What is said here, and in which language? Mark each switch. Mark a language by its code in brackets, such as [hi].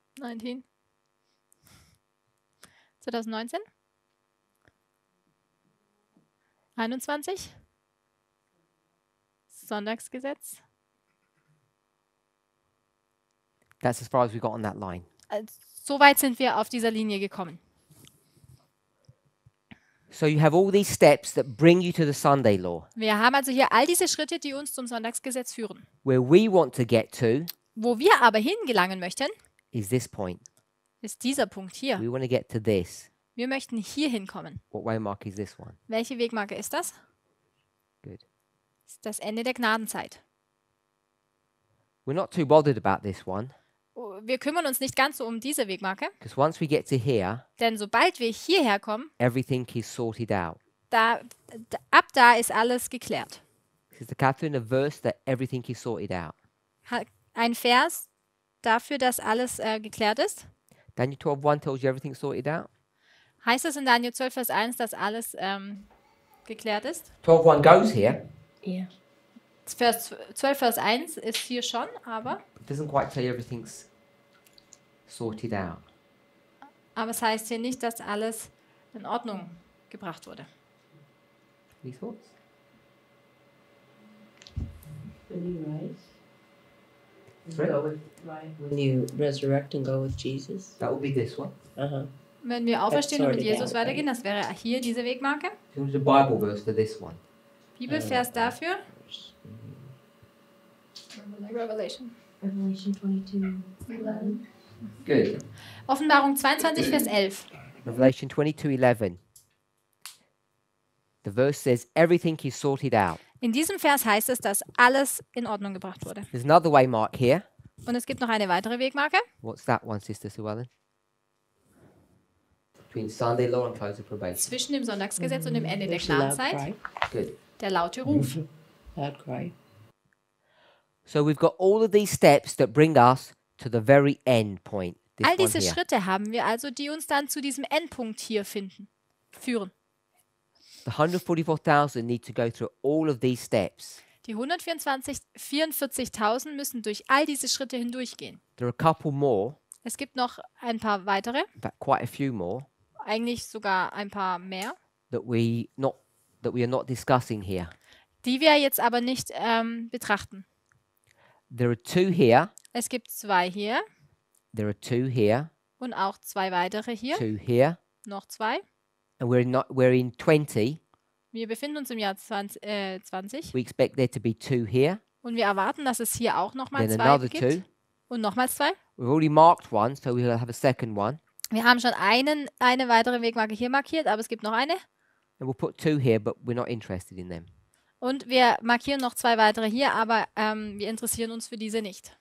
[de] 19. 2019? 21? Sonntagsgesetz? [en] That's as far as we got on that line. [de] So weit sind wir auf dieser Linie gekommen. [en] So you have all these steps that bring you to the Sunday law. [de] Wir haben also hier all diese Schritte, die uns zum Sonntagsgesetz führen. [en] Where we want to get to, [de] wo wir aber hingelangen möchten, [en] is this point. [de] Ist dieser Punkt hier. [en] We want to get to this. [de] Wir möchten hier hinkommen. [en] What waymark is this one? [de] Welche Wegmarke ist das? [en] Good. [de] Ist das Ende der Gnadenzeit. [en] We're not too bothered about this one. [de] Wir kümmern uns nicht ganz so um diese Wegmarke. [en] Because once we get to here, [de] denn sobald wir hierher kommen, [en] everything is sorted out. [de] Ab da ist alles geklärt. [en] Is the Catherine a verse that everything is sorted out? [de] Ein Vers dafür, dass alles geklärt ist? [en] Daniel 12:1 tells you everything sorted out. [de] Heißt es in Daniel 12 Vers 1, dass alles geklärt ist? [en] 12:1 goes here. Yeah. [de] Vers 12 Vers 1 ist hier schon, aber [en] it doesn't quite say everything's sorted out. [de] Aber es heißt hier nicht, dass alles in Ordnung gebracht wurde. [en] Any thoughts? The new rise. When you resurrect and go with Jesus. That would be this one. Uh-huh. [de] Wenn wir auferstehen und mit Jesus weitergehen, das wäre hier diese Wegmarke. [en] Here's a Bible verse for this one. [de] Bibelvers dafür. [en] Revelation 22:11. Good. [de] Offenbarung 22, Vers 11. [en] Revelation 22:11. The verse says everything is sorted out. [de] In diesem Vers heißt es, dass alles in Ordnung gebracht wurde. [en] There's another waymark here. [de] Und es gibt noch eine weitere Wegmarke. [en] What's that one, Sister Sue Ellen? Between Sunday law and close of probation. [de] Zwischen dem Sonntagsgesetz und dem Ende der Gnadenzeit. [en] Good. [de] Der laute Ruf. [en] Loud cry. So we've got all of these steps that bring us to the very end point. [de] All diese Schritte haben wir also, die uns dann zu diesem Endpunkt hier finden, führen. [en] The 144,000 need to go through all of these steps. [de] Die 144,000 müssen durch all diese Schritte hindurchgehen. [en] There are a couple more. [de] Es gibt noch ein paar weitere. [en] But quite a few more. [de] Eigentlich sogar ein paar mehr. [en] That we are not discussing here. [de] Die wir jetzt aber nicht betrachten. [en] There are two here. [de] Es gibt zwei hier. [en] There are two here. [de] Und auch zwei weitere hier. [en] Two here. [de] Noch zwei. [en] And we're in 20. [de] Wir befinden uns im Jahr 20. [en] We expect there to be two here. [de] Und wir erwarten, dass es hier auch nochmal zwei another gibt. [en] Two. [de] Und nochmals zwei. [en] We've already marked one, so we'll have a second one. [de] Wir haben schon eine weitere Wegmarke hier markiert, aber es gibt noch eine. [en] And we'll put two here, but we're not interested in them. [de] Und wir markieren noch zwei weitere hier, aber wir interessieren uns für diese nicht.